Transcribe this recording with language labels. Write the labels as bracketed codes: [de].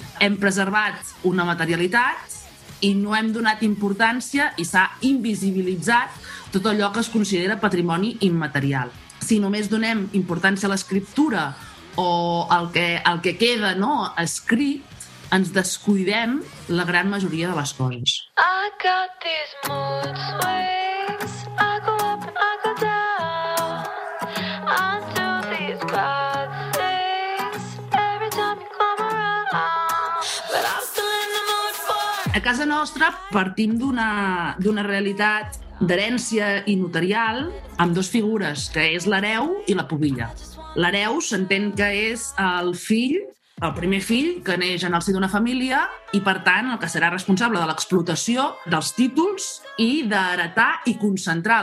[ca] Hem preservat una materialitat i no hem donat importància i s'ha invisibilitzat tot allò que es considera patrimoni immaterial. Si només donem importància a l'escriptura o el que queda, no?, escrit, ens descuidem la gran majoria de les coses. [en] I got these mood swings, I go up and I go down, I do these bad things, every time you come around, but I'm still in the mood for... [ca] A casa nostra partim d'una realitat d'herència i notarial amb dues figures, que és l'hereu i la pobilla. L'hereu s'entén que és el fill, el primer fill que neix en el si d'una família i, per tant, el que serà responsable de l'explotació dels títols i d'heretar i concentrar.